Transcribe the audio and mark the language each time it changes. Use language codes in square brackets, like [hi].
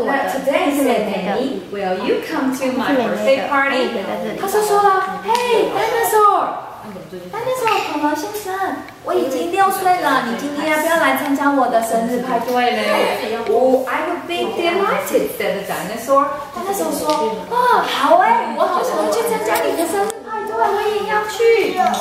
[en] Today, Danny, will you come to my birthday party? [zh] 他是说了 ，Hey, Dinosaur. Dinosaur 恐龙先生，我已经六岁了，你今天要不要来参加我的生日派对呢？ [en] I would be delighted, said the dinosaur. [zh] Dinosaur 说，哦，好哎，我好想去参加你的生日派对，我也要去。